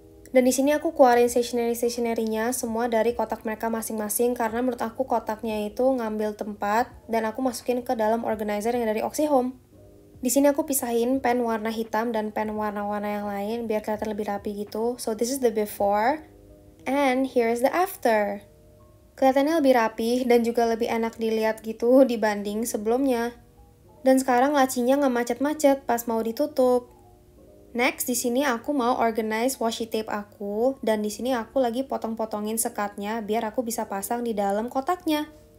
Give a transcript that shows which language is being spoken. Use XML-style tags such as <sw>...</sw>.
<id>Dan di sini aku keluarin stationery-stationery-nya semua dari kotak mereka masing-masing karena menurut aku kotaknya itu ngambil tempat dan aku masukin ke dalam organizer yang dari OxyHome. Di sini aku pisahin pen warna hitam dan pen warna-warna yang lain biar kelihatan lebih rapi gitu.</id> <en>So this is the before and here is the after.</en> <id>Kelihatannya lebih rapi dan juga lebih enak dilihat gitu dibanding sebelumnya. Dan sekarang lacinya ngemacet-macet pas mau ditutup. Next, di sini aku mau organize washi tape aku dan di sini aku lagi potong-potongin sekatnya biar aku bisa pasang di dalam kotaknya.</id>